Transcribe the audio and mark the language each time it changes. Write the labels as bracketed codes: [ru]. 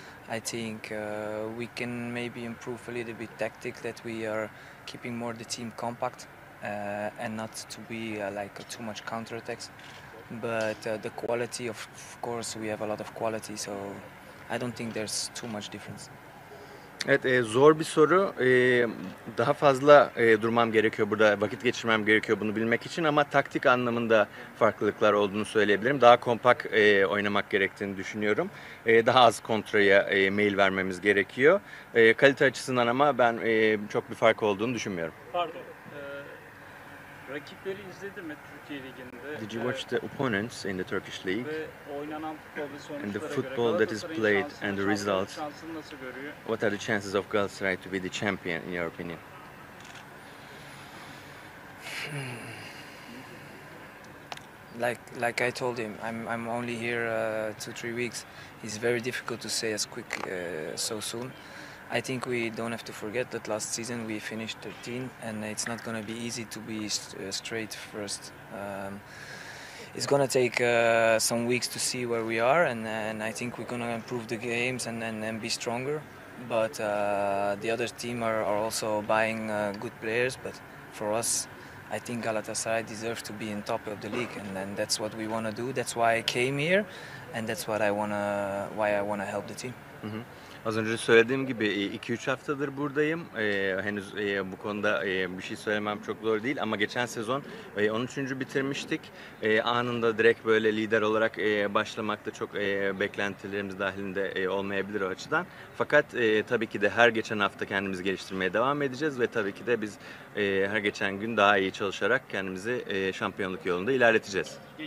[en] I think we can maybe improve a little bit tactic, that we are keeping more the team compact and not to be like too much counter-attacks. But the quality, of course, we have a lot of quality, so I don't think there's too much difference. [tr] Evet, zor bir soru. Daha fazla durmam gerekiyor burada, vakit geçirmem gerekiyor bunu bilmek için, ama taktik anlamında farklılıklar olduğunu söyleyebilirim. Daha kompak oynamak gerektiğini düşünüyorum. Daha az kontraya mail vermemiz gerekiyor. Kalite açısından ama ben çok bir fark olduğunu düşünmüyorum. Pardon. Rakipleri izledin mi Türkiye Ligi'nde? [en] Did you watch the opponents in the Turkish League? [tr] Ve oynanan futbol ve sonuçlara [en] and the football [tr] göre, [en] that is played and the results. [tr] Şansını nasıl görüyor? [en] What are the chances of Galatasaray to be the champion in your opinion? Like I told him, I'm only here 2-3 weeks. It's very difficult to say as quick so soon. I think we don't have to forget that last season we finished 13, and it's not going to be easy to be straight first. It's going to take some weeks to see where we are, and I think we're going to improve the games and be stronger. But the other team are also buying good players, but for us, I think Galatasaray deserves to be in top of the league, and that's what we want to do. That's why I came here, and that's what I want to, why I want to help the team. [tr] Mm-hmm. Az önce söylediğim gibi 2-3 haftadır buradayım. Henüz bu konuda bir şey söylemem çok doğru değil, ama geçen sezon 13. bitirmiştik. Anında direkt böyle lider olarak başlamak da çok beklentilerimiz dahilinde olmayabilir o açıdan. Fakat tabii ki de her geçen hafta kendimizi geliştirmeye devam edeceğiz ve tabii ki de biz her geçen gün daha iyi çalışarak kendimizi şampiyonluk yolunda ilerleteceğiz.